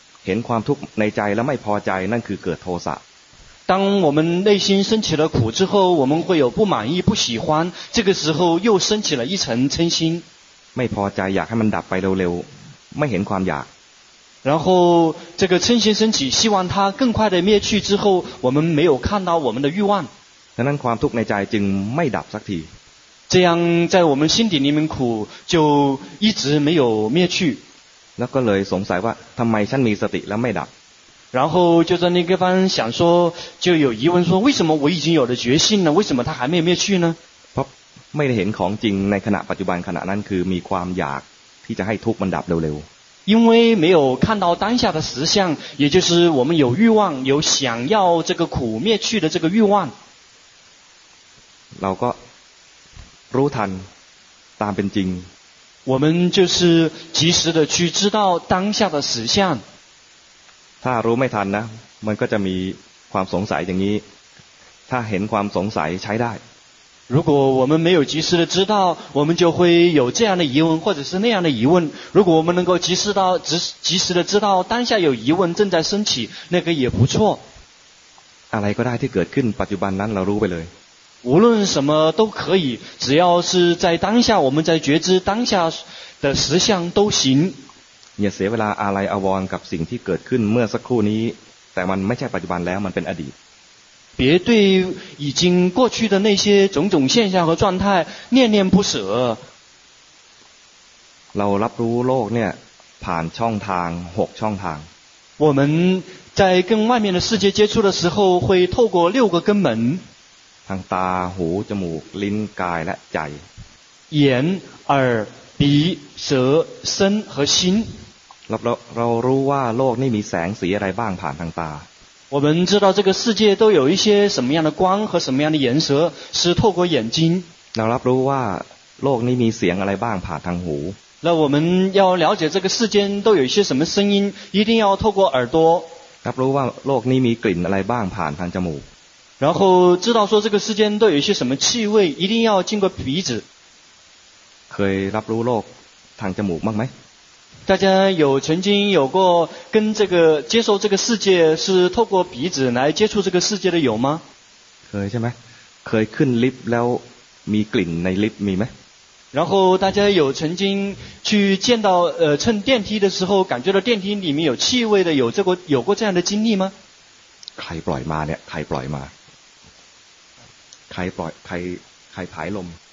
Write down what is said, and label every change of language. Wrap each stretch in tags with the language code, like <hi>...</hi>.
<th>เห็นความทุกข์ในใจแล้วไม่พอใจนั่นคือเกิดโทสะ</th> <zh>当我们内心升起了苦之后，我们会有不满意、不喜欢，这个时候又升起了一层嗔心。</zh> <th>ไม่พอใจอยากให้มันดับไปเร็วๆไม่เห็นความอยาก</th> <zh>然后这个嗔心升起，希望它更快的灭去之后，我们没有看到我们的欲望。</zh> <th>ดังนั้นความทุกข์ในใจจึงไม่ดับสักที。</th> <zh>这样在我们心底里面苦就一直没有灭去。</zh> <th>แล้วก็เลยสงสัยว่าทำไมฉันมีสติแล้วไม่ดับ</th> <zh>然后就在那个方想说，就有疑问说，为什么我已经有了决心了，为什么它还没有灭去呢？</zh> <th>เพราะไม่ได้เห็นของจริงในขณะปัจจุบันขณะนั้นคือมีความอยากที่จะให้ทุกข์มันดับเร็ว</th> <zh>ๆ因为没有看到当下的实相，也就是我们有欲望，有想要这个苦灭去的这个欲望。</zh> <th>เราก็รู้ทันตามเป็นจริง</th> <zh>我们就是及时的去知道当下的实相。</zh> <th>ถ้ารู้ไม่ทันนะมันก็จะมีความสงสัยอย่างนี้ถ้าเห็นความสงสัยใช้ได้</th> <zh>如果我们没有及时的知道我们就会有这样的疑问或者是那样的疑问如果我们能够及时的知道当下有疑问正在升起那个也不错</zh> <th>อะไรก็ได้ที่เกิดขึ้นปัจจุบันนั้นเรารู้ไปเลย</th> <zh>无论什么都可以只要是在当下我们在觉知当下的实相都行</zh> <th>อย่าเสียเวลาอะไรอวรกับสิ่งที่เกิดขึ้นเมื่อสักครู่นี้แต่มันไม่ใช่ปัจจุบันแล้วมันเป็นอดีต</th> <zh>别对已经过去的那些种种现象和状态念念不舍</zh> <th>เรารับรู้โลกเนี่ยผ่านช่องทาง6ช่องทาง</th> <zh>我们在跟外面的世界接触的时候会透过六个根门</zh> <th>ทางตาหูจมูกลิ้นกายและใจ</th> <zh>眼耳鼻舌身和心</zh> <th>เรารู้ว่าโลกนี่มีแสงสีอะไรบ้างผ่านทางตา</th> <zh>我们知道这个世界都有一些什么样的光和什么样的颜色是透过眼睛</zh> <th>เรารับรู้ว่าโลกนี่มีเสียงอะไรบ้างผ่านทางหู</th> <zh>那我们要了解这个世间都有一些什么声音一定要透过耳朵</zh> <th>รับรู้ว่าโลกนี่มีกลิ่นอะไรบ้างผ่านทางจมูก</th> <zh>然后知道说这个世间都有一些什么气味一定要经过鼻子</zh> <th>เคยรับรู้โลกทางจมูกบ้างไหม</th> <zh>大家有曾经有过跟这个接受这个世界是透过鼻子来接触这个世界的有吗</zh> <th>เคยใช่ไหมเคยขึ้นลิฟต์แล้วมีกลิ่นในลิฟต์มีไหม</th> <zh>然后大家有曾经去见到乘电梯的时候感觉到电梯里面有气味的有这个有过这样的经历吗</zh> <th>ใครปล่อยมาเนี่ยใครปล่อยมาใครปล่อยใครผายลม</th>